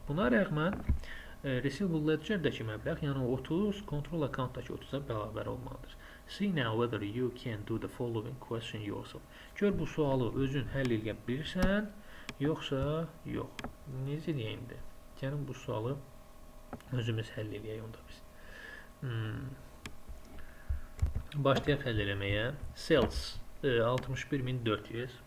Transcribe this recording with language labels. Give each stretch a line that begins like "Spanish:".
Azerbaijani: Buna rəğmən receivable ledger-dəki məbləğ, yəni 30 control account-dakı 30-a bərabər olmalıdır.
English: See now whether you can do the following question yourself.
Azerbaijani: Gör bu sualı özün həll edə bilirsən, yoxsa yox. Necə deyim indi? Gəlin bu sualı özümüz həll edək onda biz. Başlayaq həll eləməyə. Sales 61400.